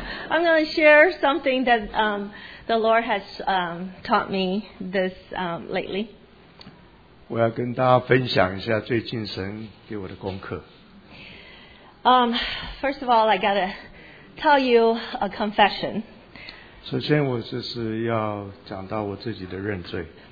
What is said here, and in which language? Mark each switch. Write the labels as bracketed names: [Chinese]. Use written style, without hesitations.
[English] I'm going to share something that the Lord has taught me this lately. [Chinese] 我要跟大家分享一下最近神给我的功课。 [English] First of all, I gotta tell you a confession. [Chinese] 首先我就是要讲到我自己的认罪。